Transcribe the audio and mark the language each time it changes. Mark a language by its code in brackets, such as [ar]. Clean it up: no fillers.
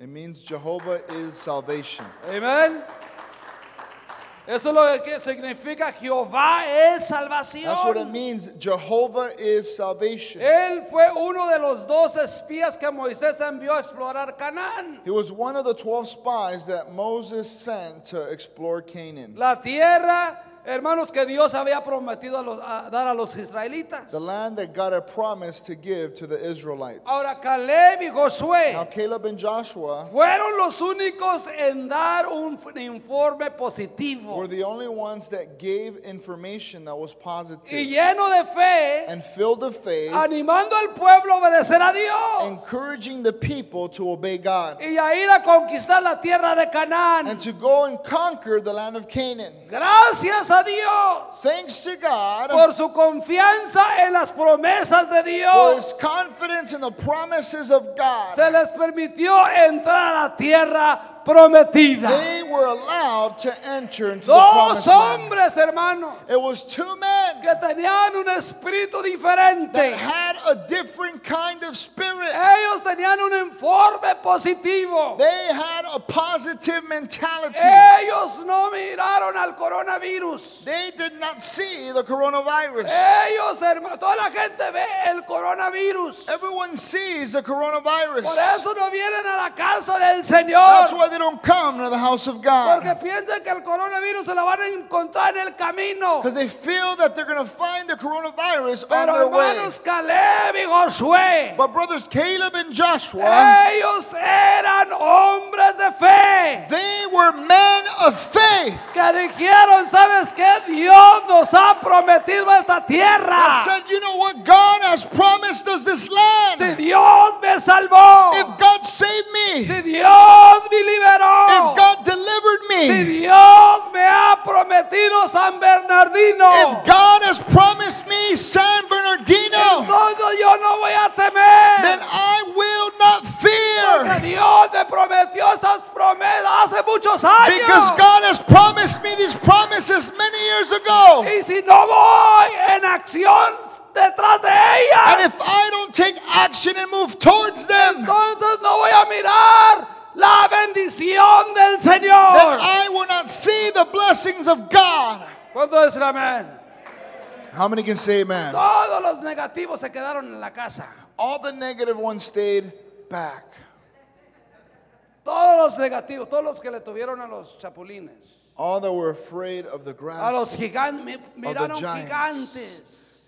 [en] It means Jehovah is salvation. Amen. [es] Eso es lo que significa Jehová es salvación. [en] That's what it means. Jehovah is salvation. [es] Él fue uno de los 12 espías que Moisés envió a explorar Canaán. [en] He was one of the 12 spies that Moses sent to explore Canaan. [es] La tierra, hermanos, que Dios había prometido dar a los israelitas. [en] The land that God had promised to give to the Israelites. [es] Ahora Caleb y Josué. [en] Now Caleb and Joshua. [es] Fueron los únicos en dar un informe positivo. [en] Were the only ones that gave information that was positive. [es] Y lleno de fe. [en] And filled of faith. [es] Animando al pueblo a obedecer a Dios. [en] Encouraging the people to obey God. [es] Y a ir a conquistar la tierra de Canaán. [en] And to go and conquer the land of Canaan. [es] Gracias. [en] Thanks to God [es] por su confianza en las promesas de Dios, [en] for his confidence in the promises of God, [es] se les permitió entrar a la tierra prometida. [en] They were allowed to enter into [es] Dos [en] the promised [es] hombres, [en] land. [es] Hermano, [en] it was two men [es] que tenían un espíritu diferente. [en] That had a different kind of spirit. [es] Ellos tenían un informe positivo. [en] They had a positive mentality. [es] Ellos no miraron al coronavirus. [en] They did not see the coronavirus. [es] Ellos, hermano, toda la gente ve el coronavirus. [en] Everyone sees the coronavirus. [es] Por eso no vienen a la casa del Señor. [en] That's why they don't come to the house of God. [es] Porque piensan que el coronavirus se lo van a encontrar en el camino. [en] Because they feel that they're going to find the coronavirus [es] Pero [en] on their way. [es] Caleb y Josué, [en] but brothers Caleb and Joshua, [es] ellos eran hombres de fe. [en] They were men of faith. [es] Que dijeron, ¿sabes qué? Dios nos ha prometido esta tierra. [en] That said, you know what? God has promised us this land. [es] Si Dios me salvó. [en] If God saved me. [es] Si Dios [en] If God delivered me, [es] si Dios me ha prometido San Bernardino, [en] if God has promised me San Bernardino, [es] entonces yo no voy a temer, [en] then I will not fear. [es] Porque Dios me prometió estas promesas hace muchos años. [en] Because God has promised me these promises. promises many years ago. [es] Y si no voy en acción detrás de ellas, [en] and if I don't take action and move towards them, [es] entonces no voy a mirar la bendición del Señor. [en] Then I will not see the blessings of God. [es] ¿Cuánto dicen amén? [en] How many can say amen? [es] Todos los negativos se quedaron en la casa. [en] All the negative ones stayed back. [es] Todos los negativos, todos los que le tuvieron a los chapulines. [en] All that were afraid of the grass. [es] A los gigantes.